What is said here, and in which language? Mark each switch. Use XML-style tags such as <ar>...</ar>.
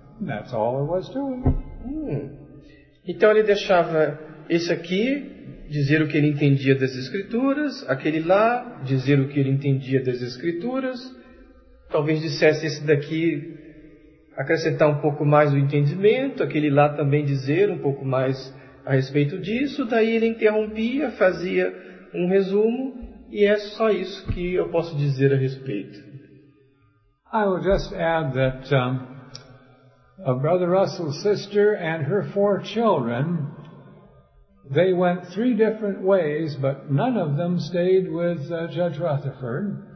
<en>That's all there was to it.</en> <pt>Então ele deixava esse aqui dizer o que ele entendia das escrituras, aquele lá dizer o que ele entendia das escrituras, talvez dissesse esse daqui acrescentar um pouco mais do entendimento, aquele lá também dizer um pouco mais a respeito disso, daí ele interrompia, fazia um resumo, e é só isso que eu posso dizer a respeito.</pt> <en>I will just add that a Brother Russell's sister and her four children, they went three different ways, but none of them stayed with Judge Rutherford.</en>